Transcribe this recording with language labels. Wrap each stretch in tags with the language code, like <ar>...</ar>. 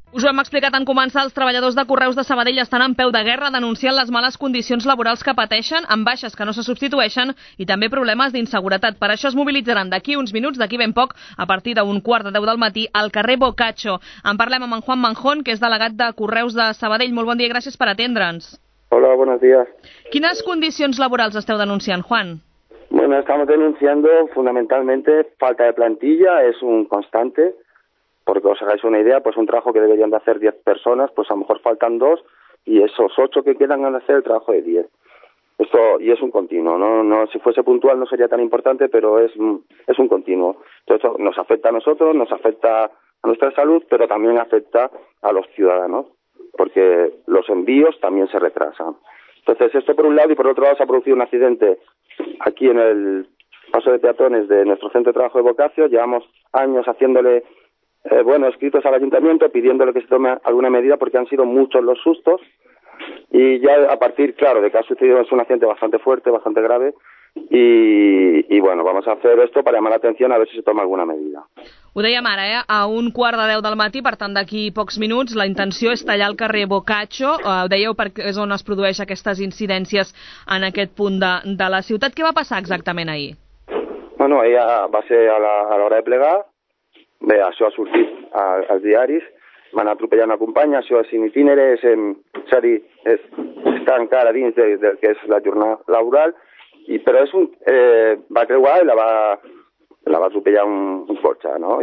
<ca>Us ho hem explicat en començar, els treballadors de Correus de Sabadell estan en peu de guerra denunciant les males condicions laborals que pateixen, amb baixes que no se substitueixen i també problemes d'inseguretat. Per això es mobilitzaran d'aquí uns minuts, d'aquí ben poc, a partir d'un quart de 10 del matí, al carrer Bocaccio. En parlem amb en Juan Manjón, que és delegat de Correus de Sabadell. Molt bon dia, gràcies per atendre'ns.</ca> <es>Hola, buenos días.</es> <ca>Quines condicions laborals esteu denunciant, Juan?</ca> <es>Bueno, estamos denunciando fundamentalmente falta de plantilla, es un constante, porque os hagáis una idea, pues un trabajo que deberían de hacer 10 personas, pues a lo mejor faltan 2, y esos 8 que quedan van a hacer el trabajo de 10. Esto, y es un continuo, no si fuese puntual no sería tan importante, pero es un continuo. Entonces, esto nos afecta a nosotros, nos afecta a nuestra salud, pero también afecta a los ciudadanos, porque los envíos también se retrasan. Entonces, esto por un lado, y por otro lado se ha producido un accidente aquí en el paso de peatones de nuestro centro de trabajo de Bocaccio. Llevamos años haciéndole, escritos al ayuntamiento pidiéndole que se tome alguna medida porque han sido muchos los sustos. Y ya a partir, claro, de que ha sucedido, es un accidente bastante fuerte, bastante grave. Y vamos a hacer esto para llamar la atención a ver si se toma alguna medida.</es> <ca>Ho dèiem ara, a un quart de 10 del matí, per tant d'aquí pocs minuts, la intenció és tallar el carrer Bocaccio, ho dèieu perquè és on es produeixen aquestes incidències en aquest punt de la ciutat. Què va passar exactament ahir? Bueno, ahir va ser a l'hora de plegar, bé, això ha sortit als diaris, van atropellar una companya, això és in itinere, és a dir, està encara dins del que és la jornada laboral, però és va creuar i la va atropellar un cotxe, no?</ca>